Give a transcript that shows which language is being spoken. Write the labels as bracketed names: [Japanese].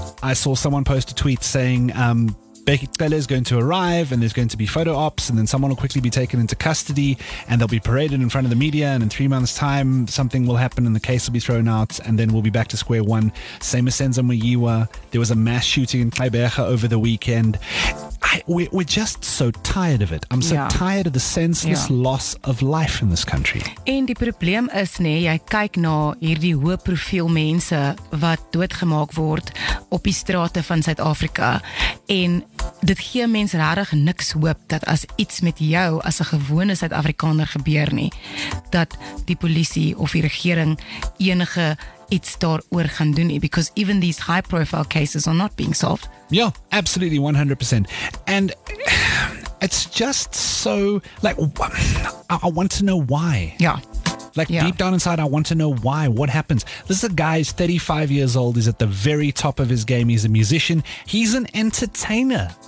[English] I saw someone post a tweet saying Becky Cele is going to arrive and there's going to be photo ops and then someone will quickly be taken into custody and they'll be paraded in front of the media and in 3 months' time something will happen and the case will be thrown out and then we'll be back to square one. Same as Senzo Muyiwa. There was a mass shooting in Kaibecha over the weekend. We're just so tired of it. I'm so tired of the senseless loss of life in this country. [Afrikaans] En die probleem is jy kyk na hierdie hoë profiel mense wat doodgemaak word op die strate van Suid-Afrika en dit gee mens regtig niks hoop dat as iets met jou as 'n gewone Suid-Afrikaner gebeur nie, dat die polisie of die regering enige iets daaroor gaan doen nie, [English] because even these high profile cases are not being solved. Yeah, absolutely, 100%. And it's just so, like, I want to know why. Yeah. Like, deep down inside, I want to know why, what happens. This is a guy who's 35 years old, he's at the very top of his game, he's a musician, he's an entertainer.